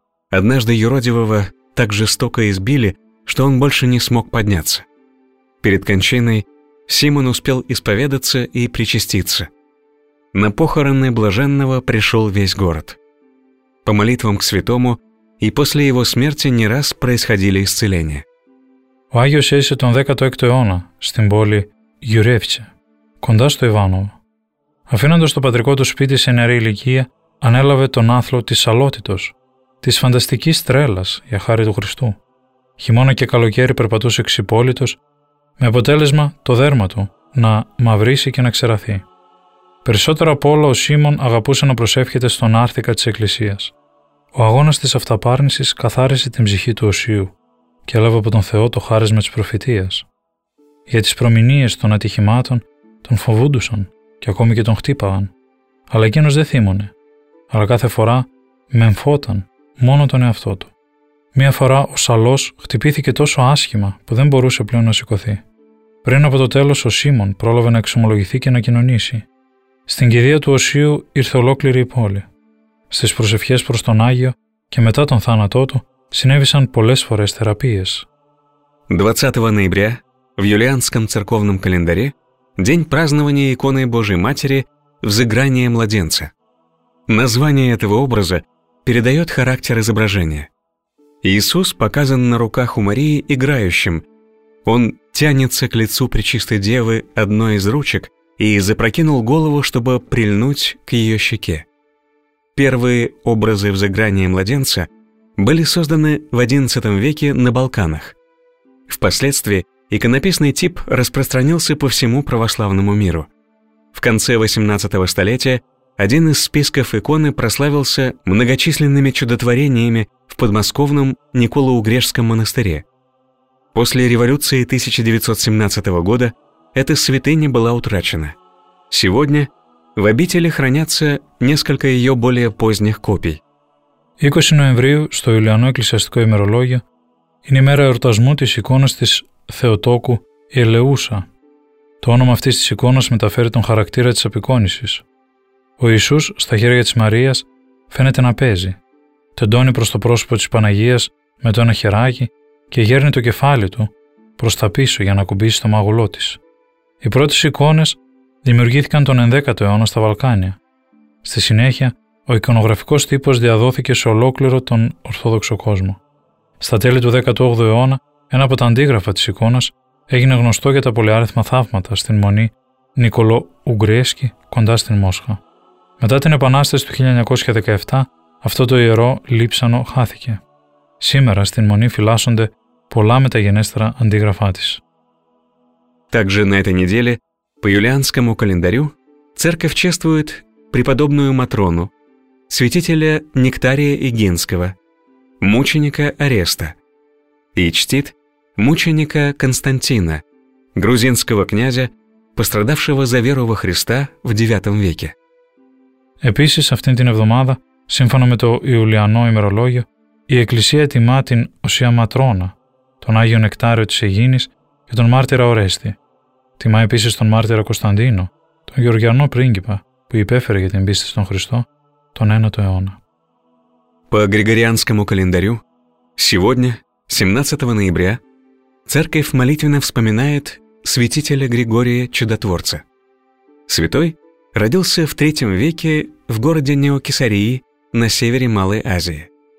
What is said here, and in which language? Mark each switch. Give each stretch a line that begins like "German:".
Russian: Однажды юродивого так жестоко избили, что он больше не смог подняться. Перед кончиной Симон успел исповедаться и причаститься. На похороны блаженного пришел весь город. По молитвам к святому и после его смерти не раз происходили исцеления.
Greek: Ο Άγιος έζησε τον 16ο αιώνα στην πόλη Γιουρέφτσε, κοντά στο Ιβάνοβο. Αφήνοντας το πατρικό του σπίτι σε νεαρή ηλικία, ανέλαβε τον άθλο της αλότητος, της φανταστικής τρέλας για χάρη του Χριστού. Χειμώνα και καλοκαίρι περπατούσε ξυπόλυτος, με αποτέλεσμα το δέρμα του να μαυρίσει και να ξεραθεί. Περισσότερο από όλα ο Σίμων αγαπούσε να προσεύχεται στον άρθηκα της Εκκλησίας. Ο αγώνας της αυταπάρνησης καθάρισε την ψυχή του Οσίου και έλαβε από τον Θεό το χάρισμα της προφητείας. Για τις προμηνίες των ατυχημάτων τον φοβούντουσαν και ακόμη και τον χτύπαγαν. Αλλά εκείνος δεν θύμωνε, αλλά κάθε φορά μεμφόταν μόνο τον εαυτό του. Μία φορά ο σαλός χτυπήθηκε τόσο άσχημα που δεν μπορούσε πλέον να σηκωθεί. Πριν από το τέλος ο Σίμων πρόλαβε να εξομολογηθεί και να κοινωνήσει. Στην κηδεία του Οσίου ήρθε ολόκληρη η πόλη. Στις προσευχές προς τον Άγιο και μετά τον θάνατό του συνέβησαν πολλές φορές θεραπείες.
Russian: 20 ноября в юлианском церковном календаре день празднования иконы Божией Матери «Взыграние младенца». Название этого образа передает характер изображения. Иисус показан на руках у Марии играющим. Он тянется к лицу Пречистой Девы одной из ручек и запрокинул голову, чтобы прильнуть к ее щеке. Первые образы взыграния младенца были созданы в XI веке на Балканах. Впоследствии иконописный тип распространился по всему православному миру. В конце 18 столетия один из списков иконы прославился многочисленными чудотворениями в подмосковном Николоугрешском монастыре. После революции 1917 года эта святыня была утрачена. Сегодня в обители хранятся несколько ее более поздних копий. 20 ноября,
Greek: στο Ιουλιανό εκκλησιαστικό ημερολόγιο, είναι η μέρα εορτασμού της εικόνας της Θεοτόκου Ελεούσα. Το όνομα αυτής της εικόνας μεταφέρει τον χαρακτήρα της απεικόνησης. Ο Ιησούς στα χέρια της Μαρίας φαίνεται να παίζει. Τεντώνει προς το πρόσωπο της Παναγίας με το ένα χεράκι και γέρνει το κεφάλι του προς τα πίσω για να κουμπίσει το μάγουλό της. Οι πρώτες εικόνες δημιουργήθηκαν τον 10ο αιώνα στα Βαλκάνια. Στη συνέχεια, ο εικονογραφικός τύπος διαδόθηκε σε ολόκληρο τον Ορθόδοξο κόσμο. Στα τέλη του 18ου αιώνα, ένα από τα αντίγραφα της εικόνας έγινε γνωστό για τα πολυάριθμα θαύματα στην μονή Νικολοουγκρέσκη κοντά στην Μόσχα. Μετά την Επανάσταση του 1917, αυτό το ιερό λείψανο χάθηκε. Σήμερα στην Μονή φυλάσσονται πολλά μεταγενέστερα αντίγραφά της.
Russian: Также на этой неделе по юлианскому календарю церковь чествует преподобную Матрону, святителя Нектария Игинского, мученика Ареста, и чтит мученика Константина, грузинского князя, пострадавшего за веру во Христа в IX веке.
Greek: Επίσης αυτήν την εβδομάδα, σύμφωνα με το Ιουλιανό ημερολόγιο, η Εκκλησία τιμά την Οσία Ματρώνα, τον Άγιο Νεκτάριο της Αιγίνης και τον μάρτυρα Ορέστη. Τιμά επίσης τον μάρτυρα Κωνσταντίνο, τον Γεωργιανό πρίγκιπα, που υπέφερε για την πίστη στον Χριστό τον 9ο αιώνα.
Russian: По Григорианскому календарю, сегодня, 17 ноября, церковь молитвенно вспоминает святителя Григория Чудотворца. Святой родился в III веке в городе Неокесарии на севере Малой Азии.